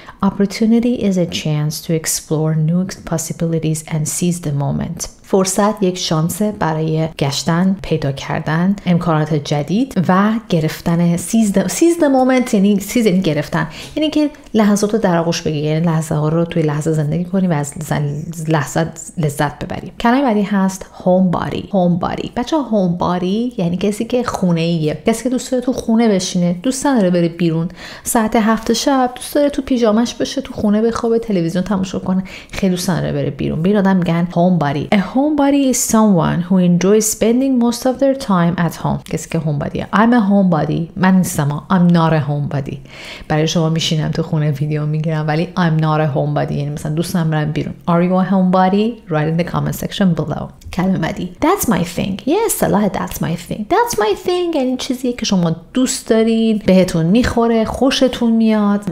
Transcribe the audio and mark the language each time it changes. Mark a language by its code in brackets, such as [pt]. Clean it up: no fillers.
[en] Opportunity is a chance to explore new possibilities and seize the moment. [fa] فرصت یک شانسه برای گشتن، پیدا کردن امکانات جدید و گرفتن [en] seize the moment. [fa] یعنی seize یعنی گرفتن، یعنی که لحظات رو در آغوش بگیری، یعنی لحظه ها رو توی لحظه زندگی کنی و از لحظه لذت ببری. کلمه بعدی هست homebody. بچه homebody یعنی کسی که خونه ایه، کسی که دوست داره تو خونه بشینه، دوست نداره بره بیرون ساعت 7 شب، دوست داره تو پیژامش بشه، تو خونه بخوابه، تلویزیون تماشا کنه، خیلی دوست نداره بره بیرون. به این آدم میگن homebody. [en] Homebody is someone who enjoys spending most of their time at home. [fa] کسی که [en] homebody. I'm a homebody. [fa] من نیستم. [en] I'm not a homebody. [fa] برای شما میشینم تو خونه ویدیو میگیرم ولی [en] I'm not a homebody. [fa] یعنی مثلا دوستم برم بیرون. [en] Are you a homebody? Write in the comment section below. [fa] کلمه بعدی. [en] That's my thing. Yes, Allah, that's my thing. That's my thing. [fa] یعنی چیزی که شما دوست دارین، بهتون میخوره، خوشتون میاد.